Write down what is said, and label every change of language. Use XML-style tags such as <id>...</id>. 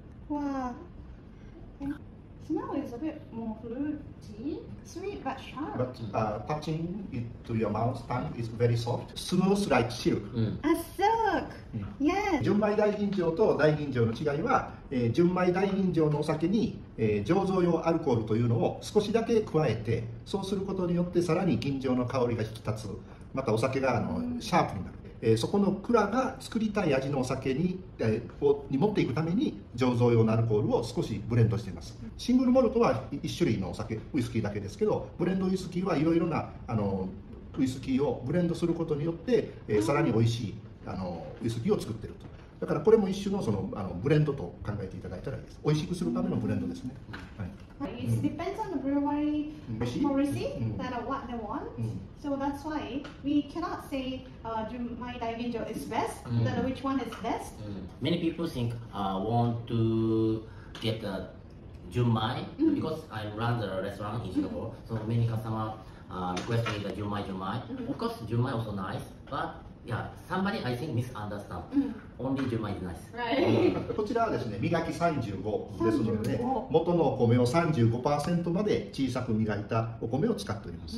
<en>わあ、Smell is a bit more fruity, sweet but sharp. But touching it to your mouth, tongue is very soft, smooth like silk. A silk, yes.</en> <ja>純米大吟醸と大吟醸の違いは、純米大吟醸のお酒に、醸造用アルコールというのを少しだけ加えて、そうすることによってさらに吟醸の香りが引き立つ、またお酒がシャープになる。そこの蔵が作りたい味のお酒 に持っていくために醸造用のアルコールを少しブレンドしています。シングルモルトは1種類のお酒、ウイスキーだけですけど、ブレンドウイスキーはいろいろなウイスキーをブレンドすることによって、さらに美味しいウイスキーを作っていると。だからこれも一種 その、ブレンドと考えていただいたらいいです。美味しくするためのブレンドですね。</ja> <en>It depends on the brewery policy that what they want. So that's why we cannot say my daiginjo is best. That which one is best? Many people think want to get the junmai mm-hmm. because I run the restaurant in Singapore. Mm-hmm. So many customers request me the junmai. Mm-hmm. Of course, junmai also nice, but yeah, somebody I think misunderstand. Mm-hmm. Only junmai is nice. Right.</en> <ja>こちらはですね、磨き35ですので、ね、元のお米を 35% まで小さく磨いたお米を使っております。</ja>